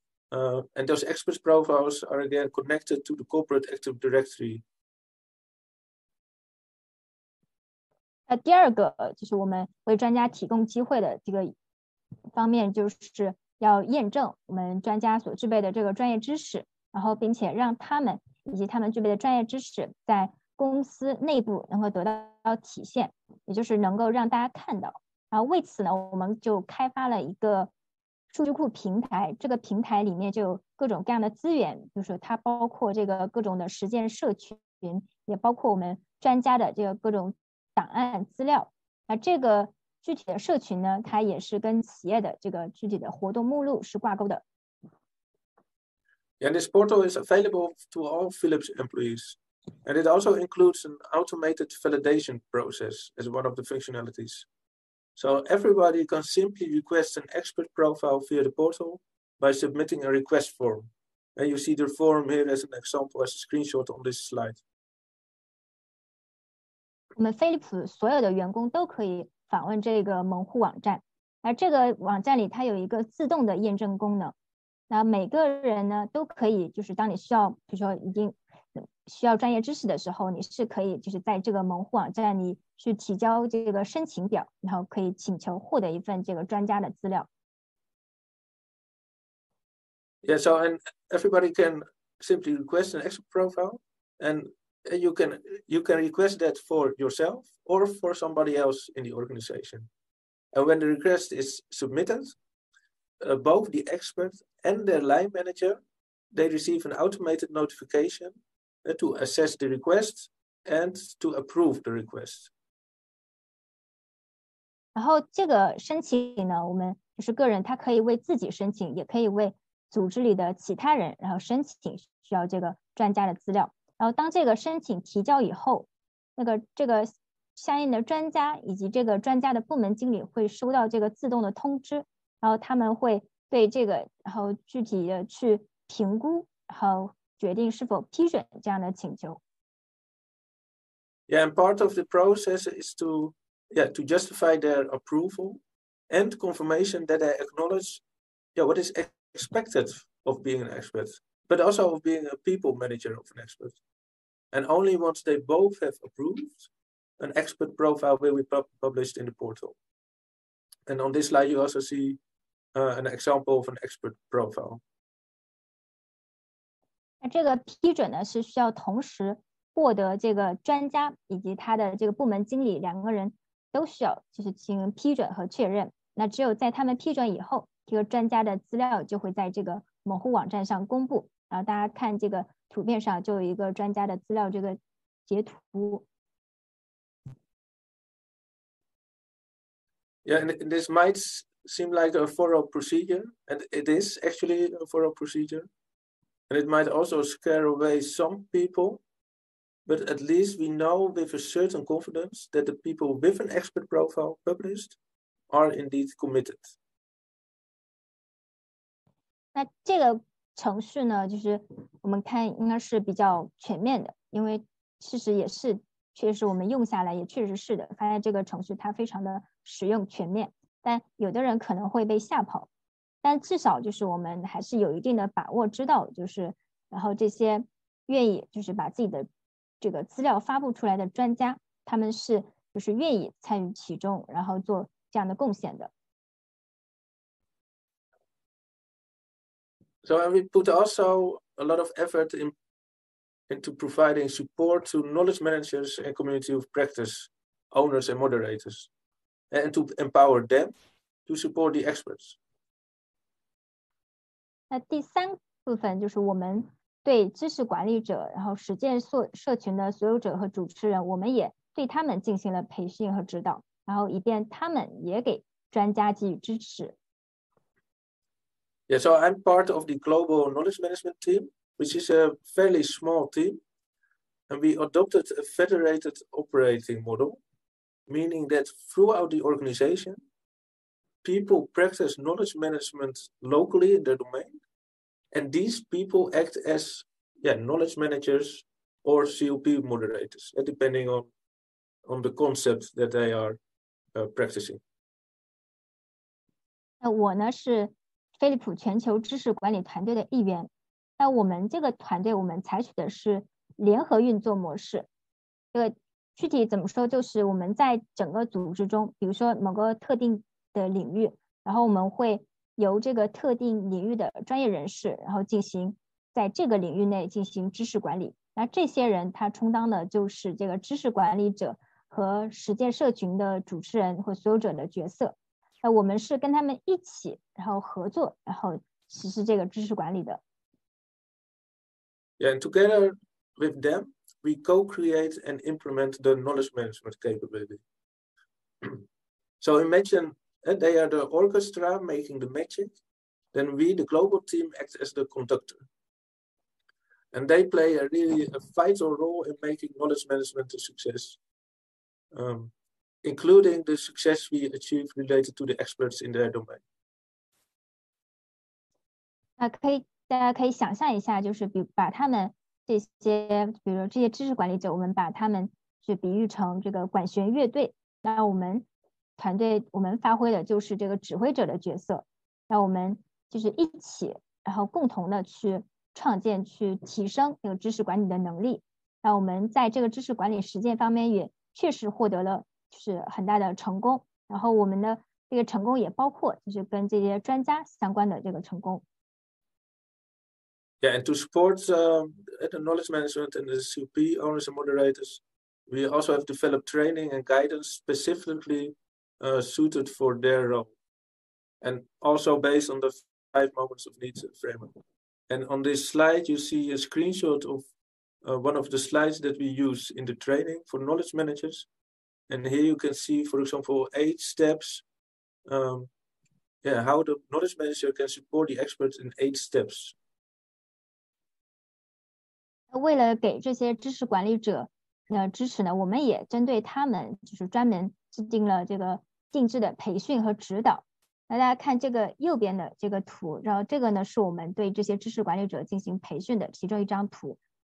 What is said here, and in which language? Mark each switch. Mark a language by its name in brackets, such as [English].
[English] And those expert profiles are again connected to the corporate active directory. [Chinese] 那第二个就是我们为专家提供机会的这个方面，就是要验证我们专家所具备的这个专业知识，然后并且让他们以及他们具备的专业知识在公司内部能够得到体现，也就是能够让大家看到。然后为此呢，我们就开发了一个数据库平台，这个平台里面就有各种各样的资源，就是它包括这个各种的实践社群，也包括我们专家的这个各种档案资料。那这个具体的社群呢，它也是跟企业的这个具体的活动目录是挂钩的。 [English] And this portal is available to all Philips employees, and it also includes an automated validation process as one of the functionalities. So everybody can simply request an expert profile via the portal by submitting a request form. And you see the form here as an example, as a screenshot on this slide. [Chinese] 我们飞利浦所有的员工都可以访问这个门户网站，而这个网站里它有一个自动的验证功能，那每个人呢都可以，就是当你需要比如说已经需要专业知识的时候，你是可以就是在这个门户网站里去提交这个申请表，然后可以请求获得一份这个专家的资料。 [English] Yeah, so and everybody can simply request an expert profile, and you can request that for yourself or for somebody else in the organization. And when the request is submitted, both the expert and their line manager, they receive an automated notification to assess the request and to approve the request. [Chinese] 然后这个申请呢，我们就是个人，他可以为自己申请，也可以为组织里的其他人，然后申请需要这个专家的资料。然后当这个申请提交以后，那个这个相应的专家以及这个专家的部门经理会收到这个自动的通知，然后他们会对这个然后具体的去评估，然后决定是否批准这样的请求。 [English] Yeah, and part of the process is to justify their approval and confirmation that they acknowledge what is expected of being an expert, but also of being a people manager of an expert. And only once they both have approved, an expert profile will be published in the portal. And on this slide, you also see an example of an expert profile. 这个批准呢是需要同时获得这个专家以及他的这个部门经理两个人都需要就是进行批准和确认，那只有在他们批准以后，这个专家的资料就会在这个某户网站上公布，然后大家看这个图片上就有一个专家的资料这个截图。 Yeah, and this might seem like a formal procedure, and it is actually a formal procedureAnd it might also scare away some people, but at least we know with a certain confidence that the people with an expert profile published are indeed committed. [Chinese] 那这个程序呢，就是我们看应该是比较全面的，因为事实也是，确实我们用下来也确实是的，发现这个程序它非常的实用全面，但有的人可能会被吓跑。但至少就是我们还是有一定的把握知道，就是然后这些愿意就是把自己的这个资料发布出来的专家，他们是就是愿意参与其中，然后做这样的贡献的。 [English] So we put also a lot of effort into providing support to knowledge managers and community of practice owners and moderators, and to empower them to support the experts. [Chinese] 那第三部分就是我们对知识管理者然后实践社群的所有者和主持人，我们也对他们进行了培训和指导，然后以便他们也给专家给予支持。 [English] Yeah, so I'm part of the global knowledge management team, which is a fairly small team, and we adopted a federated operating model, meaning that throughout the organizationPeople practice knowledge management locally in their domain, and these people act as knowledge managers or COP moderators, depending on the concept that they are practicing. [Chinese] 那我呢是飞利浦全球知识管理团队的一员。那我们这个团队，我们采取的是联合运作模式。这个具体怎么说，就是我们在整个组织中，比如说某个特定的领域，然后我们会由这个特定领域的专业人士，然后进行在这个领域内进行知识管理。那这些人他充当的就是这个知识管理者和实践社群的主持人或所有者的角色。那我们是跟他们一起，然后合作，然后实施这个知识管理的。 [English] Yeah, and together with them, we co-create and implement the knowledge management capability. So imagine. And they are the orchestra making the magic, then we, the global team, act as the conductor. And they play a really a vital role in making knowledge management a success, including the success we achieve related to the experts in their domain. [Chinese] 那可以，大家可以想象一下，就是比把他们这些，比如这些知识管理者，我们把他们去比喻成这个管弦乐队，那我们。团队我们发挥的就是这个指挥者的角色，那我们就是一起然后共同的去创建去提升这个知识管理的能力。那我们在这个知识管理实践方面也确实获得了就是很大的成功，然后我们的这个成功也包括就是跟这些专家相关的这个成功。 [English] Yeah, and to support the knowledge management and the SUP owners and moderators, we also have developed training and guidance specifically suited for their role, and also based on the five moments of needs framework. And on this slide, you see a screenshot of one of the slides that we use in the training for knowledge managers. And here you can see, for example, 8 steps. How the knowledge manager can support the experts in 8 steps. [Chinese] 为了给这些知识管理者的支持呢，我们也针对他们就是专门制定了这个定制的培训和指导。那大家看这个右边的这个图，然后这个呢是我们对这些知识管理者进行培训的其中一张图。